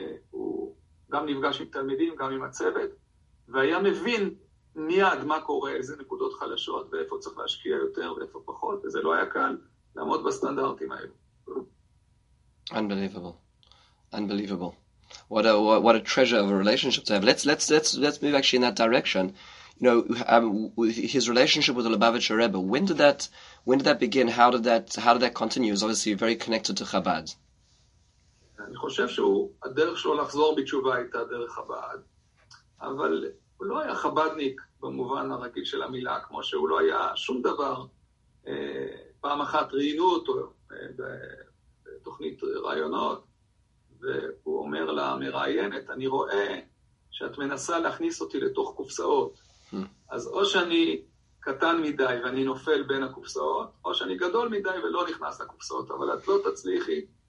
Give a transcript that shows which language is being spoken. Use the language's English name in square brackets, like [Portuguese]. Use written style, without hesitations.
[Hebrew] הוא גם נפגש עם תלמידים, גם עם הצוות, והיה מבין מיד מה קורה, איזה נקודות חלשות, ואיפה צריך להשקיע יותר, ואיפה פחות, וזה לא היה קל לעמוד בסטנדרטים האלו. [English] Unbelievable. What a treasure of a relationship to have. Let's move actually in that direction. You know, his relationship with the Lubavitcher Rebbe. When did that begin? How did that continue? It was obviously very connected to Chabad. [Hebrew] אני חושב שהדרך שלו לחזור בתשובה הייתה דרך חב"ד, אבל הוא לא היה חבדניק במובן הרגיל של המילה, כמו שהוא לא היה שום דבר. פעם אחת ראינו אותו בתוכנית רעיונות, והוא אומר לה מראיינת, אני רואה שאת מנסה להכניס אותי לתוך קופסאות, אז או שאני קטן מדי ואני נופל בין הקופסאות, או שאני גדול מדי ולא נכנס לקופסאות, אבל את לא תצליחי